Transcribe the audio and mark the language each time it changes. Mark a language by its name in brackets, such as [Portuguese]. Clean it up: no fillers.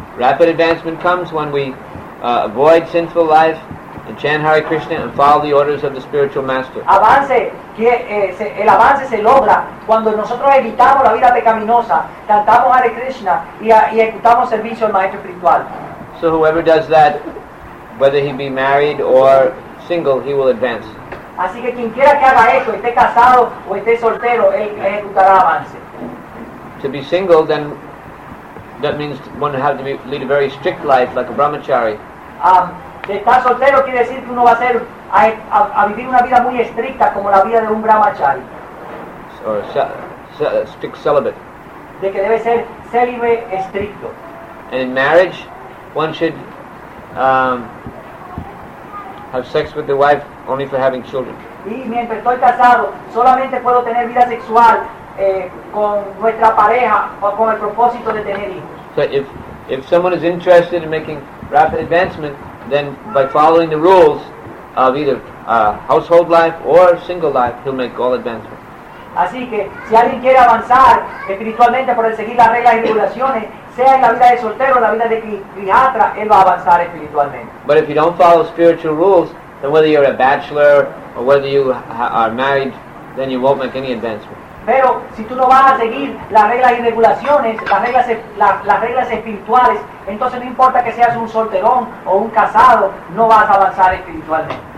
[English] Rapid advancement comes when we avoid sinful life and chant Hare Krishna and follow the orders of the spiritual master. [Spanish] El avance se logra cuando nosotros evitamos la vida pecaminosa, cantamos Hare Krishna y ejecutamos servicio al maestro espiritual. [English] So whoever does that, whether he be married or single, he will advance. [Spanish] Así que quien quiera que haga esto, esté casado o esté soltero, él ejecutará avance. [English] To be single, then that means one has to be, lead a very strict life, like a brahmachari. [Spanish] De estar soltero quiere decir que uno va a ser a vivir una vida muy estricta, como la vida de un brahmachari. [English] Or strict celibate. [Spanish] De que debe ser célibe estricto. [English] And in marriage, one should have sex with the wife only for having children. [Spanish] Y mientras estoy casado, solamente puedo tener vida sexual con nuestra pareja o con el propósito de tener hijos. [English] So if someone is interested in making rapid advancement, then by following the rules of either household life or single life, he'll make all advancement. [Spanish] Así que si alguien quiere avanzar espiritualmente por el seguir las reglas y regulaciones, sea en la vida de soltero, en la vida de grihastra, él va a avanzar espiritualmente. [English] But if you don't follow spiritual rules, then whether you're a bachelor or whether you are married, then you won't make any advancement. [Spanish] Pero si tú no vas a seguir las reglas y regulaciones, las reglas espirituales, entonces no importa que seas un solterón o un casado, no vas a avanzar espiritualmente.